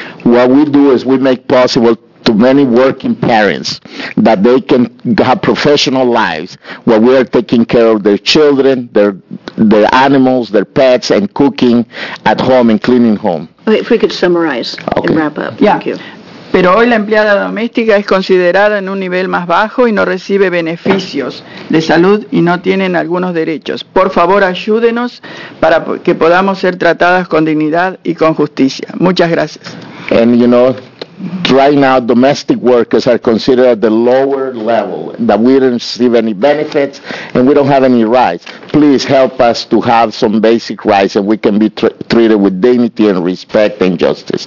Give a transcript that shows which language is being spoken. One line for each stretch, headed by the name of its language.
English: What we do is we make possible to many working parents that they can have professional lives where we are taking care of their children, their animals, their pets, and cooking at home and cleaning home. Okay, if we could summarize and wrap up. Thank you.
Spanish: Pero hoy la empleada doméstica es considerada en un nivel más bajo y no recibe beneficios de salud y no tienen algunos derechos. Por favor, ayúdenos para que podamos ser tratadas con dignidad y con justicia. Muchas gracias.
English: And you know, right now domestic workers are considered at the lower level, that we don't receive any benefits and we don't have any rights. Please help us to have some basic rights and we can be treated with dignity and respect and justice.